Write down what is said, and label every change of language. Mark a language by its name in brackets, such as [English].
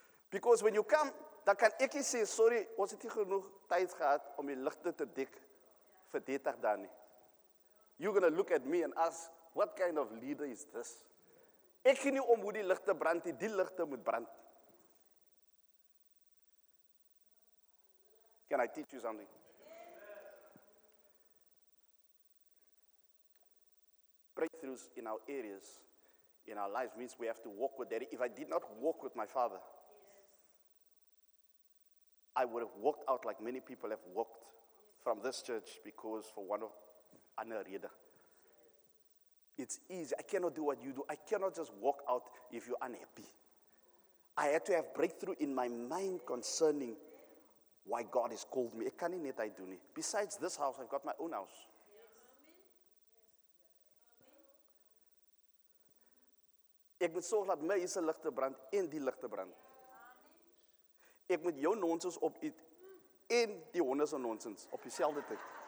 [English] Because when you come, [Afrikaans] dan kan ek sê sorry, ons het nie genoeg tyd gehad om die ligte te dek vir 30 dae nie. [English] You're going to look at me and ask, what kind of leader is this? [Afrikaans] Ek gee nie om hoe die ligte brand, die ligte moet brand. [English] Can I teach you something? Breakthroughs in our areas, in our lives, means we have to walk with daddy. If I did not walk with my father, I would have walked out like many people have walked from this church because for one of another reason. It's easy. I cannot do what you do. I cannot just walk out if you're unhappy. I had to have breakthrough in my mind concerning why God has called me. Besides this house, I've got my own house. [Afrikaans] Ek moet sorg dat my se ligte brand en die ligte brand. Ek moet jou nonsens op eet en die honde se nonsens op dieselfde tyd.